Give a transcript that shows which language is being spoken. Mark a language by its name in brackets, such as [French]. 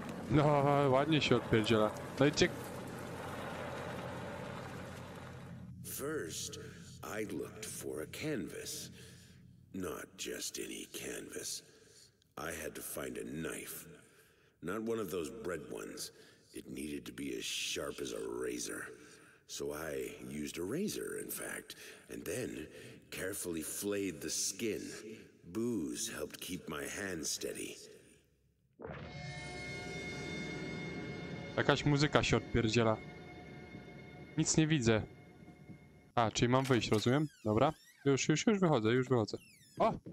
[Polish] No, ładnie się odpierdziela. No i ciek... [English] First, I looked for a canvas. Not just any canvas. I had to find a knife. Not one of those bread ones. It needed to be as sharp as a razor. So I used a razor, in fact, and then carefully flayed the skin. Booze helped keep my hand steady. [Polish] Jakaś muzyka się odpierdziela. Nic nie widzę. A, czyli mam wyjść, rozumiem? Dobra. Już wychodzę, już wychodzę. O!